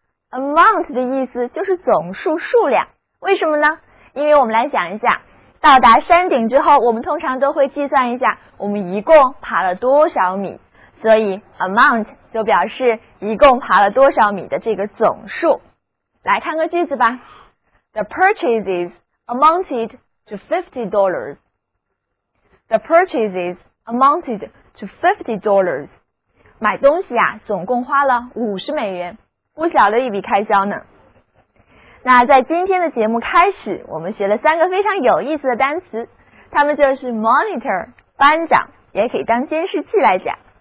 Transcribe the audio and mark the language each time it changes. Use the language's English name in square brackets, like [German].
[Chinese] amount 的意思就是总数，数量。为什么呢？因为我们来想一下，到达山顶之后，我们通常都会计算一下我们一共爬了多少米，所以 amount 就表示一共爬了多少米的这个总数。来看个句子吧。 [English] The purchases amounted to $50 The purchases amounted to $50。 [Chinese] 买东西啊，总共花了50美元，不小的一笔开销呢。那在今天的节目开始，我们学了三个非常有意思的单词，它们就是 monitor 班长，也可以当监视器来讲。